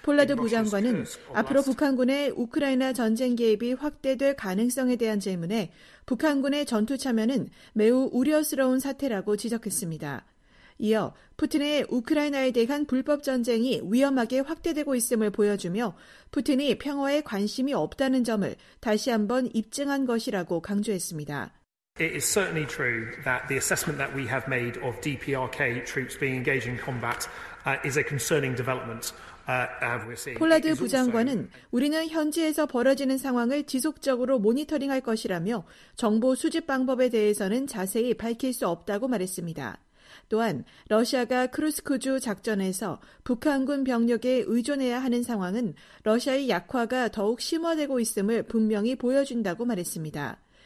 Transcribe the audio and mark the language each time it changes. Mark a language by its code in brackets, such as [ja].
[ko] 폴라드 부장관은 앞으로 북한군의 우크라이나 전쟁 개입이 확대될 가능성에 대한 질문에 북한군의 전투 참여는 매우 우려스러운 사태라고 지적했습니다. 이어 푸틴의 우크라이나에 대한 불법 전쟁이 위험하게 확대되고 있음을 보여주며 푸틴이 평화에 관심이 없다는 점을 다시 한번 입증한 것이라고 강조했습니다. [en] It is certainly true that the assessment that we have made of DPRK troops being engaged in combat is a concerning development. [ko] 폴라드 부장관은 우리는 현지에서 벌어지는 상황을 지속적으로 모니터링할 것이라며 정보 수집 방법에 대해서는 자세히 밝힐 수 없다고 말했습니다. 또한 러시아가 크루스크주 작전에서 북한군 병력에 의존해야 하는 상황은 러시아의 약화가 더욱 심화되고 있음을 분명히 보여준다고 말했습니다.